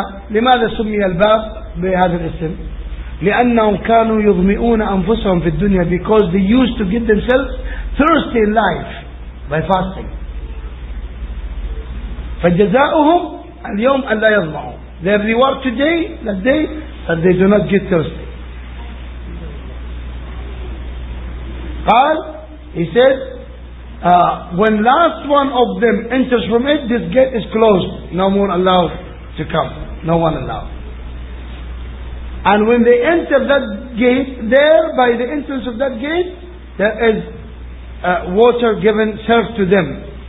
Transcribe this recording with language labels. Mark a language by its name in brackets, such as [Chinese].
[Arabic] لماذا سمي الباب بهذا الاسم؟ لأنهم كانوا يضمئون أنفسهم في الدنيا [English] because they used to get themselves thirsty in life by fasting. [Arabic] فجزاؤهم اليوم أن لا يضمعوا. [English] Their reward today, that day, that they do not get thirsty. قال, he said, when last one of them enters from it, this gate is closed. No one allowed to come. No one allowed. And when they enter that gate, there, by the entrance of that gate, there is water given, served to them.